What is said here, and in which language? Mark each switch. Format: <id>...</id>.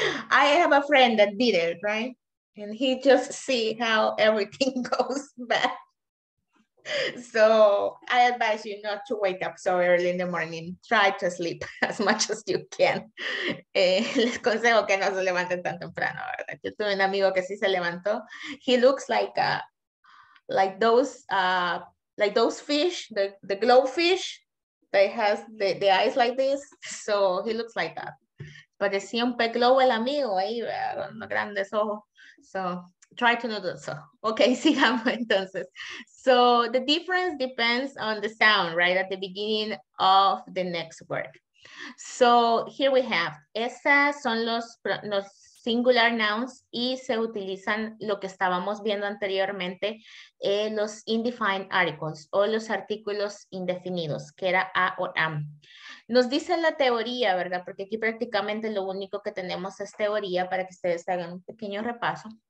<en>I have a friend that did it, right? And he just see how everything goes bad. So I advise you not to wake up so early in the morning. Try to sleep as much as you can.</en> <es>Les consejo que no se levanten tan temprano, ¿verdad? Yo tuve un amigo que sí se levantó.</es> <en>He looks like those fish, the glowfish that has the eyes like this. So he looks like that.</en> <es>Parecía un pez globo el amigo ahí, con grandes ojos.</es> <en>So, try to not do so. Okay,</en> <es>sigamos entonces.</es> <en>So, the difference depends on the sound, right? At the beginning of the next word. So, here we have.</en> <es>Esas son los singular nouns y se utilizan lo que estábamos viendo anteriormente, los indefined articles o los artículos indefinidos, que era a o am. Nos dice la teoría, ¿verdad? Porque aquí prácticamente lo único que tenemos es teoría para que ustedes hagan un pequeño repaso.</es>